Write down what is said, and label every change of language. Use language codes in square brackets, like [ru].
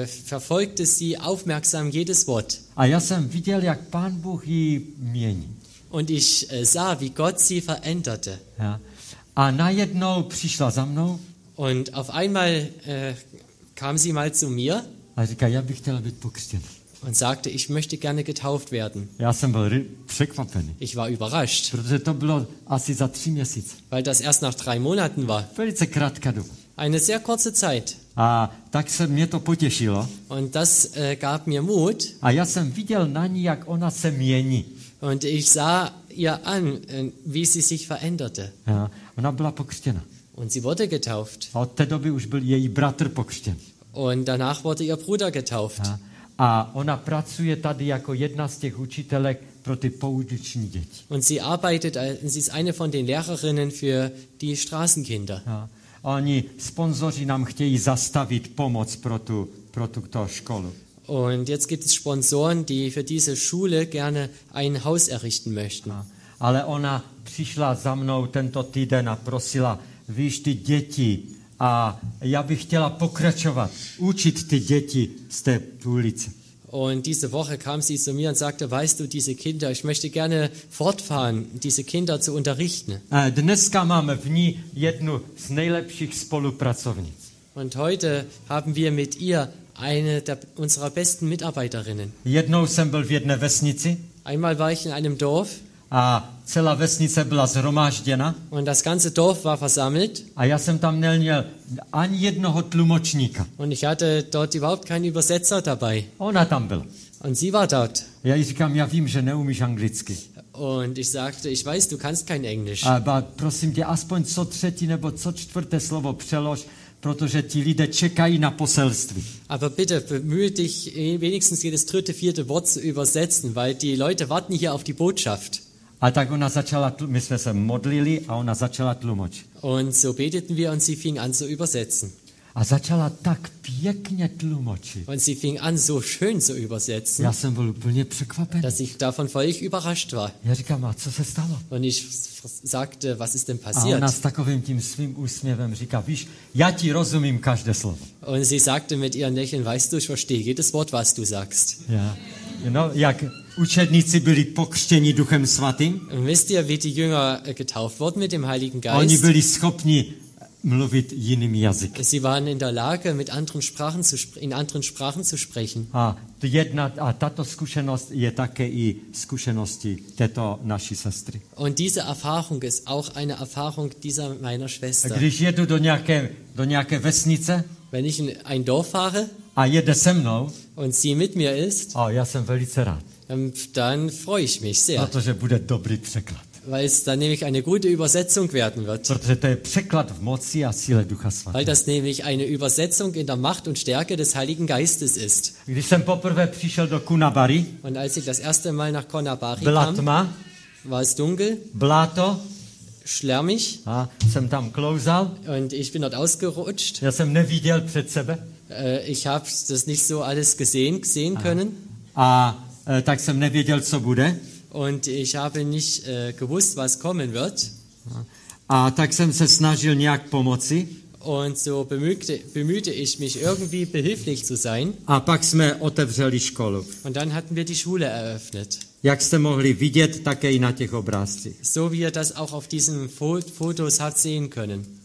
[de] Verfolgte sie aufmerksam jedes Wort. [cs] A já jsem viděl, jak Pán Bůh ji mění. [de] Und ich sah, wie Gott sie veränderte. Ja. [cs] A najednou přišla za mnou. [de] Und auf einmal kam sie mal zu mir. [cs] A říká, já bych chtěla být pokřtěn. [de] Und sagte, ich möchte gerne getauft werden. [cs] Já jsem byl překvapený. [de] Ich war überrascht. [cs] Protože to bylo asi za 3 měsíce. [de] Weil das erst nach 3 Monaten war. [cs] Velice krátká doba. [de] Eine sehr kurze Zeit. [cs] A tak se mě to potěšilo. [de] Und das gab mir Mut. [cs] A já jsem viděl na ní, jak ona se mění. [de] Und ich sah ihr an, wie sie sich veränderte. [cs] Ja, ona byla pokřtěna. [de] Und sie wurde getauft. [cs] A od té doby už byl její bratr pokřtěn. [de] Und danach wurde ihr Bruder getauft. Ja. [cs] A ona pracuje tady jako jedna z těch učitelek pro ty pouliční děti. [de] Und sie arbeitet, sie ist eine von den Lehrerinnen für die Straßenkinder. Ja. [cs] Oni sponzoři nám chtějí zastavit pomoc pro tuto školu. [de] Und jetzt gibt es Sponsoren, die für diese Schule gerne ein Haus errichten möchten. [cs] Ale ona přišla za mnou tento týden a prosila, víš, ty děti, a já bych chtěla pokračovat, učit ty děti z té ulice. [de] Und diese Woche kam sie zu mir und sagte, weißt du, diese Kinder, ich möchte gerne fortfahren, diese Kinder zu unterrichten. [cs] Dneska máme v ní jednu z nejlepších spolupracovnic. [de] Und heute haben wir mit ihr eine der, unserer besten Mitarbeiterinnen. [cs] Jednou jsem byl v jedné vesnici. [de] Einmal war ich in einem Dorf. [cs] A celá vesnice byla zhromážděna. [de] Und das ganze Dorf war versammelt. [cs] A já jsem tam neměl ani jednoho tlumočníka. [de] Und ich hatte dort überhaupt keinen Übersetzer dabei. [cs] Ona tam byla. [de] Und sie war dort. [cs] Já jí říkám, já vím, že neumíš anglicky. [de] Und ich sagte, ich weiß, du kannst kein Englisch. [cs] Aber prosím tě, aspoň co třetí nebo co čtvrté slovo přelož, protože ti lidé čekají na poselství. [de] Aber bitte, bemühe dich wenigstens jedes dritte, vierte Wort zu übersetzen, weil die Leute warten hier auf die Botschaft. [cs] A tak ona začala, my jsme se modlili a ona začala tlumočit. [de] Und so beteten wir und sie fing an zu übersetzen. [cs] A začala tak pěkně tlumočit. [de] Und sie fing an so schön zu übersetzen. [cs] Já jsem byl úplně překvapen. [de] Dass ich davon völlig überrascht war. [cs] Já říkám, a co se stalo? [de] Und ich sagte, was ist denn passiert? [cs] A ona s takovým tím svým úsměvem říká, víš, já ti rozumím každé slovo. [de] Und sie sagte mit ihrem Lächeln, weißt du, ich verstehe jedes Wort, was du sagst. Ja. [cs] No, jak učedníci byli pokřtěni Duchem Svatým. [de] Wisst ihr, wie die Jünger getauft wurden mit dem Heiligen Geist? [cs] Oni byli schopni mluvit jiným jazykem. [de] Sie waren in der Lage, mit anderen Sprachen zu in anderen Sprachen zu sprechen. [cs] A jedna, a tato zkušenost je také i zkušenosti této naší sestry. [de] Und diese Erfahrung ist auch eine Erfahrung dieser meiner Schwester. [cs] Když jedu do nějaké vesnice, [de] wenn ich in ein Dorf fahre, [cs] a jede se mnou, [de] und sie mit mir ist, [cs] a já jsem velice rád. [de] Dann freue ich mich sehr. [cs] Protože bude dobrý překlad. [de] Weil es dann nämlich eine gute Übersetzung werden wird. [cs] Protože to je překlad v moci a síle Ducha Svatého. [de] Weil das nämlich eine Übersetzung in der Macht und Stärke des Heiligen Geistes ist. [cs] Když jsem poprvé přišel do Kunabari, [de] und als ich das erste Mal nach Konabari [cs] kam, byla tma, [de] war es dunkel, [cs] bláto, [de] schlärmig, [cs] a jsem tam klouzal, [de] und ich bin dort ausgerutscht. [cs] Já jsem neviděl před sebe. [de] Ich habe das nicht so alles gesehen können. [cs] Tak jsem nevěděl, co bude. [de] Und ich habe nicht gewusst, was kommen wird. [cs] A tak jsem se snažil nějak pomoci. [de] Und so bemühte ich mich irgendwie behilflich zu sein. [cs] A pak jsme otevřeli školu. [de] Und dann hatten wir die Schule eröffnet. [cs] Jak jste mohli vidět, také i na těch obrázcích. [de] So wie ihr das auch auf diesen Fotos habt sehen können.